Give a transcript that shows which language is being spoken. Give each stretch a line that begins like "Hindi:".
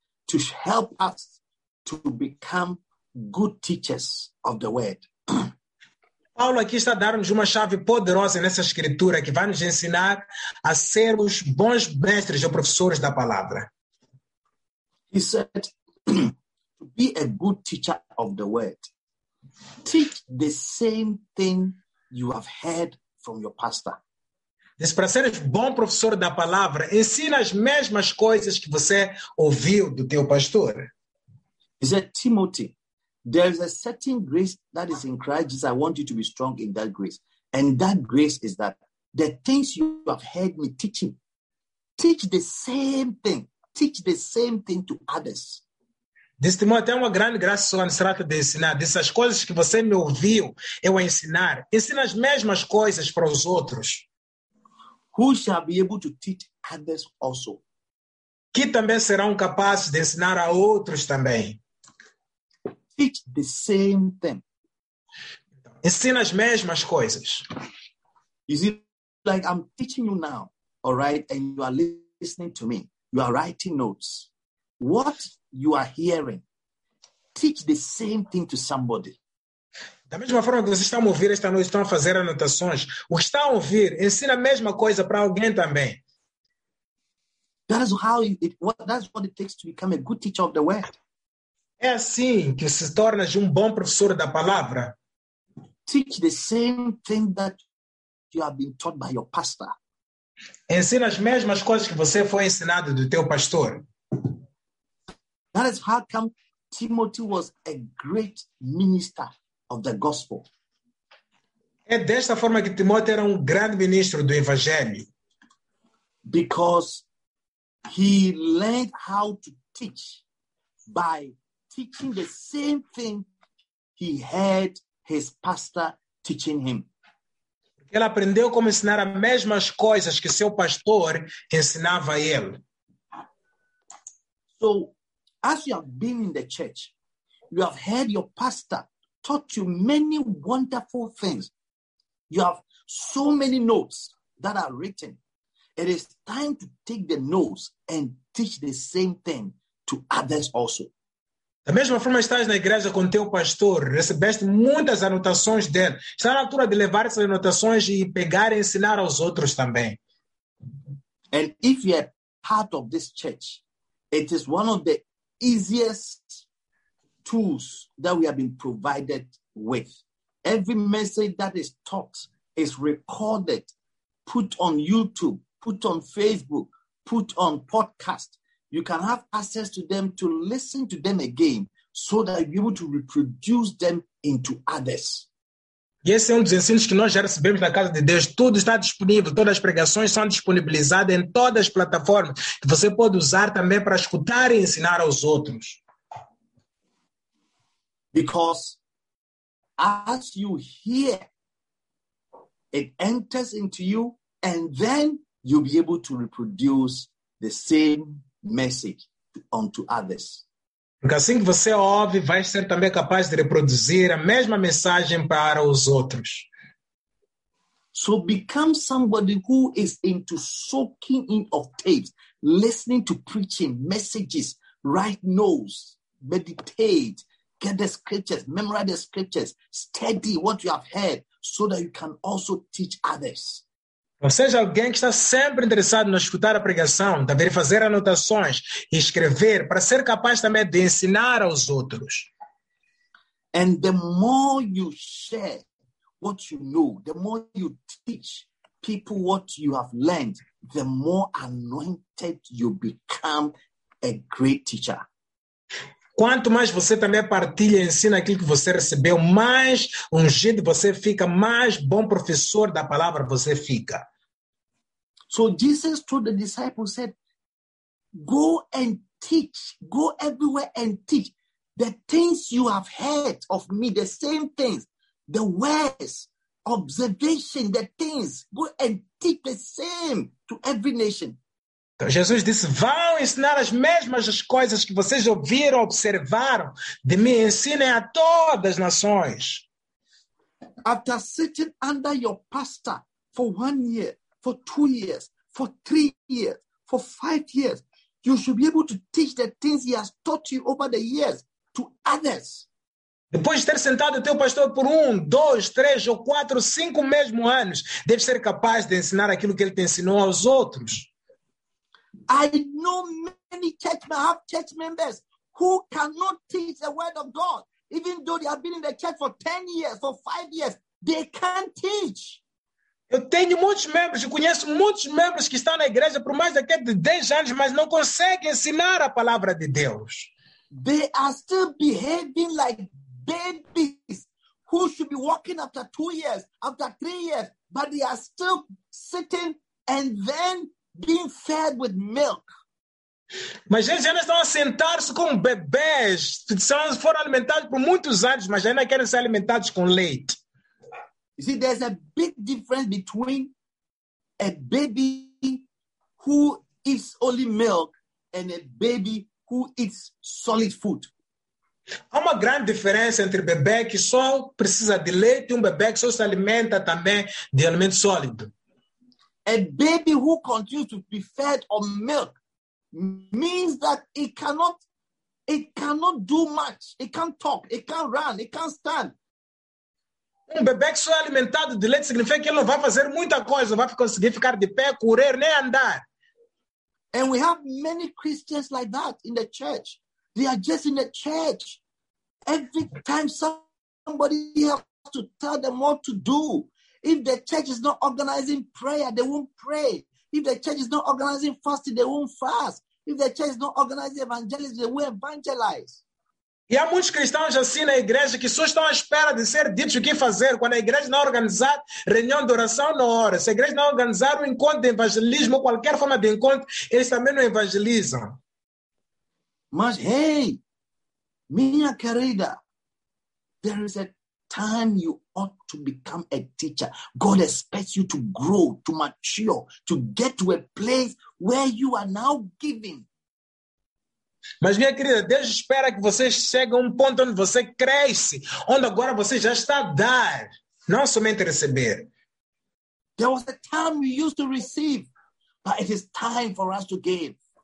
English: To help us to become good teachers of the word.
Portuguese: Paulo aqui está dando-nos uma chave poderosa nessa escritura que vai nos ensinar a sermos bons mestres ou professores da palavra.
English: He said, to be a good teacher of the word. Teach the same thing you have heard from your pastor.
Portuguese: Diz, para ser bom professor da palavra, ensina as mesmas coisas que você ouviu do teu pastor.
English: He said, Timothy, there is a certain grace that is in Christ Jesus. I want you to be strong in that grace. And that grace is that the things you have heard me teaching, teach the same thing. Teach the same thing to others.
Portuguese: Diz, Timóteo, é uma grande graça que o Senhor trata de ensinar. Diz, as coisas que você me ouviu eu ensinar, ensina as mesmas coisas para os outros.
English: Who shall be able to teach others also?
Portuguese: Que também serão capazes de ensinar a outros também.
English: Teach the same thing.
Portuguese: Ensina as mesmas coisas.
English: Is it like I'm teaching you now, all right, and you are listening to me. You are writing notes. What you are hearing, teach the same thing to somebody.
Portuguese: Da mesma forma que vocês estão a ouvir esta noite, estão a fazer anotações. O que estão a ouvir, ensina a mesma coisa para alguém também.
English: That is how it, that's what it takes to become a good teacher of the word.
Portuguese: É assim que se tornas bom professor da palavra.
English: Teach the same thing that you have been taught by your pastor.
Portuguese: Ensina as mesmas coisas que você foi ensinado do teu pastor.
English: That is how come Timothy was a great minister of the gospel.
Portuguese: É desta forma que Timóteo era grande ministro do evangelho.
English: Because he learned how to teach by teaching the same thing he heard his pastor teaching him.
Portuguese: Porque ele aprendeu como ensinar as mesmas coisas que seu pastor ensinava a ele.
English: So, as you have been in the church, you have heard your pastor taught you many wonderful things. You have so many notes that are written. It is time to take the notes and teach the same thing to others also.
Portuguese: Da mesma forma estás na igreja com teu pastor, recebeste muitas anotações dele. Está na altura de levar essas anotações e pegar e ensinar aos outros também.
English: And if you are part of this church, it is one of the easiest tools that we have been provided with. Every message that is taught is recorded, put on YouTube, put on Facebook, put on podcast. You can have access to them to listen to them again so that you're able to reproduce them into others.
Portuguese: Esse é dos ensinos que nós já recebemos na casa de Deus. Tudo está disponível, todas as pregações são disponibilizadas em todas as plataformas que você pode usar também para escutar e ensinar aos outros.
English: Because as you hear, it enters into you, and then you'll be able to reproduce the same message unto others.
Portuguese: Porque assim que você ouve, vai ser também capaz de reproduzir a mesma mensagem para os outros.
English: So become somebody who is into soaking in of tapes, listening to preaching, messages, write notes, meditate. Get the scriptures, memorize the scriptures, study what you have heard so that you can also teach others.
Portuguese: Ou seja, alguém que está sempre interessado em escutar a pregação, também fazer anotações e escrever para ser capaz também de ensinar aos outros.
English: And the more you share what you know, the more you teach people what you have learned, the more anointed you become a great teacher.
Portuguese: Quanto mais você também partilha e ensina aquilo que você recebeu, mais ungido você fica, mais bom professor da palavra você fica.
English: So Jesus told the disciples, said, go and teach, go everywhere and teach the things you have heard of me, the same things, the words, observation, the things, go and teach the same to every nation.
Portuguese: Então Jesus disse, vão ensinar as mesmas coisas que vocês ouviram, observaram de mim, ensinem a todas as nações.
English: After sitting under your pastor for 1 year, for 2 years, for 3 years, for 5 years, you should be able to teach the things he has taught you over the years to others.
Portuguese: Depois de ter sentado o teu pastor por 1, 2, 3 ou 4, 5 mesmo anos, deve ser capaz de ensinar aquilo que ele te ensinou aos outros.
English: I know many church members. I have church members who cannot teach the word of God, even though they have been in the church for 10 years or 5 years, they can't teach.
Portuguese: Eu tenho muitos membros, eu conheço muitos membros que estão na igreja por mais daqui de 10 anos, mas não conseguem ensinar a palavra de Deus.
English: They are still behaving like babies who should be walking after 2 years, after 3 years, but they are still sitting and then being fed with milk.
Portuguese: Mas eles ainda estão a sentar-se como bebês, foram alimentados por muitos anos, mas ainda querem ser alimentados com leite.
English: You see, there's a big difference between a baby who eats only milk and a baby who eats solid food.
Portuguese: Há uma grande diferença entre bebê que só precisa de leite e bebê que só se alimenta também de alimento sólido.
English: A baby who continues to be fed on milk means that it cannot do much. It can't talk, it can't run, it can't stand.
Portuguese: Bebê que só é alimentado de leite significa que ele não vai fazer muita coisa, não vai conseguir ficar de pé, correr, nem andar.
English: And we have many Christians like that in the church. They are just in the church. Every time somebody has to tell them what to do, if the church is not organizing prayer, they won't pray. If the church is not organizing fasting, they won't fast. If the church is not organizing evangelism, they won't evangelize.
Portuguese: E há muitos cristãos assim na igreja que só estão à espera de ser dito o que fazer. Quando a igreja não organizar reunião de oração, não ora. Se a igreja não organizar um encontro de evangelismo ou qualquer forma de encontro, eles também não evangelizam. Mas, hey, minha querida,
English: there is a time you ought to become a teacher. God expects you to grow, to mature, to get to a place where you are now giving.
Portuguese: Mas, minha querida, Deus espera que você chegue a um ponto onde você cresce, onde agora você já está a dar, não somente receber.
English: There was a time we used to receive, but it is time for us to give.